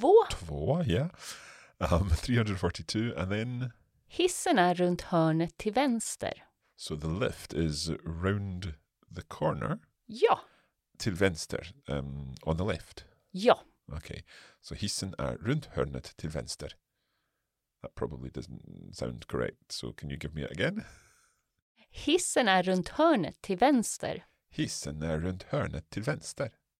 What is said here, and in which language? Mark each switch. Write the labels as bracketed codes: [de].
[sv] Två, ja. [en] Yeah. 342 and then... [sv] Hissen är runt hörnet till vänster. [en] So the lift is round the corner. [sv] Ja. Till vänster, [en] on the left. [sv] Ja. [en] Okay, so [sv] hissen är runt hörnet till vänster. [en] That probably doesn't sound correct, so can you give me it again? [sv] Hissen är runt hörnet till vänster. Hissen är runt hörnet till vänster.